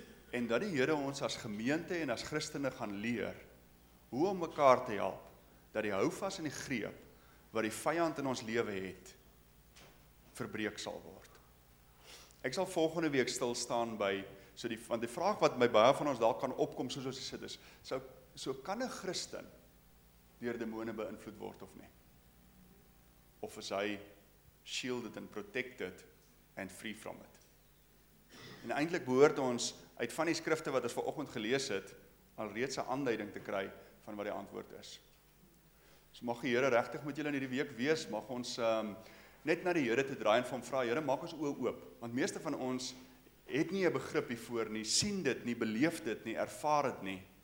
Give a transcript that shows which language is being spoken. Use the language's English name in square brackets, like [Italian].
[Afrikaans] En dat die Here ons as gemeente en as Christene gaan leer hoe om mekaar te help dat die houvas in die greep wat die vyand in ons lewe het verbreek sal word. Ek sal volgende week stil staan by want die vraag wat my baie van ons daar kan opkom, soos ons gesit is, so kan 'n Christen deur demone beïnvloed word of nie? Of is hy [English] shielded and protected and free from it? [Afrikaans] En eintlik behoort ons uit van die skrifte wat ons vanoggend gelees het, al reeds 'n aanduiding te kry van wat die antwoord is. So mag die Here regtig met julle in hierdie week wees, mag ons net na die Here te draai en van vra, Here, maak ons oë oop, want meeste van ons het nie 'n begrip hiervoor nie, sien dit nie, beleef dit nie, ervaar dit nie.